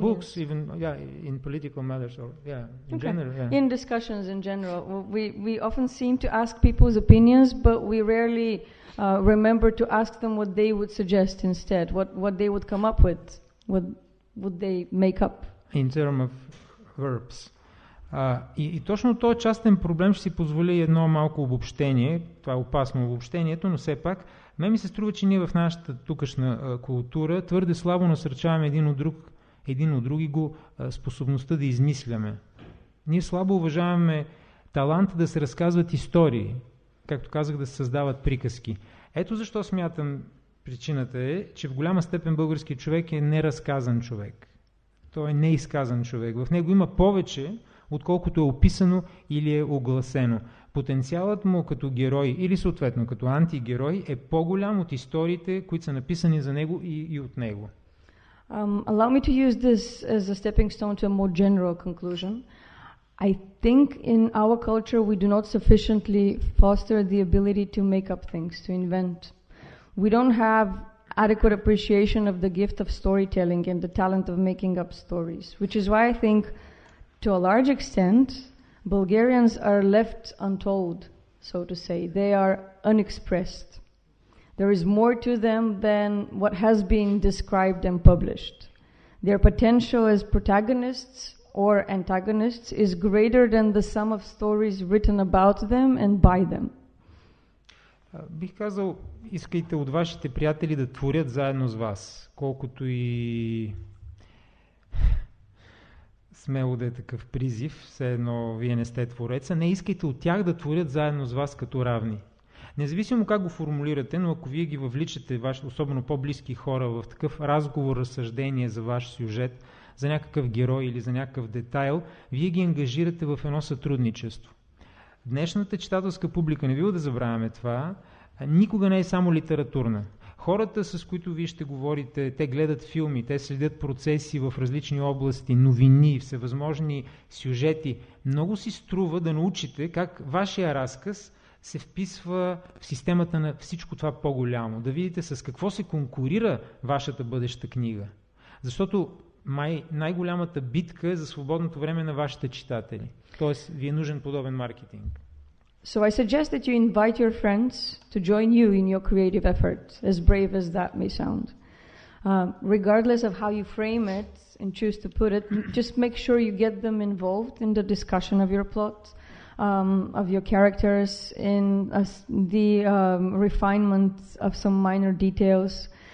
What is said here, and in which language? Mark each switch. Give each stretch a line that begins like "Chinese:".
English: Not only books, even in political matters or in general. In discussions in general, we often seem to ask people's opinions, but we rarely remember to ask them what they would suggest instead, what they would come up with. Would they make up? In terms of verbs.
Bulgarian: И точно този частен проблем ще си позволя едно малко обобщение. Това е опасно обобщението, но все пак. Мен ми се струва, че ние в нашата тукашна култура твърде слабо насърчаваме един от други го способността да измисляме. Ние слабо уважаваме таланта да се разказват истории. Както казах, да се създават приказки. Ето защо смятам, причината е, че в голяма степен български човек е неразказан човек. Той е неизказан човек. В него има повече, отколкото е описано или е огласено. Потенциалът му като герой или съответно като антигерой е по-голям от историите, които са написани за него и от него.
English: Allow me to use this as a stepping stone to a more general conclusion. I think in our culture we do not sufficiently foster the ability to make up things, to invent things. We don't have adequate appreciation of the gift of storytelling and the talent of making up stories, which is why I think, to a large extent, Bulgarians are left untold, so to say. They are unexpressed. There is more to them than what has been described and published. Their potential as protagonists or antagonists is greater than the sum of stories written about them and by them.
Bulgarian: Бих казал, искайте от вашите приятели да творят заедно с вас, колкото и смело да е такъв призив, все едно вие не сте твореца, не искайте от тях да творят заедно с вас като равни. Независимо как го формулирате, но ако вие ги въвличате, ваши, особено по-близки хора, в такъв разговор, разсъждение за ваш сюжет, за някакъв герой или за някакъв детайл, вие ги ангажирате в едно сътрудничество. Днешната читателска публика, не бива да забравяме това, никога не е само литературна. Хората, с които вие ще говорите, те гледат филми, те следят процеси в различни области, новини, всевъзможни сюжети. Много си струва да научите как вашия разказ се вписва в системата на всичко това по-голямо. Да видите с какво се конкурира вашата бъдеща книга. Защото най-голямата битка е за свободното време на вашите читатели. Тоест, ви е нужен подобен маркетинг.
English: So I suggest that you invite your friends to join you in your creative effort, as brave as that may sound. Regardless of how you frame it and choose to put it, just make sure you get them involved in the discussion of your plot, of your characters, in the refinement of some minor details.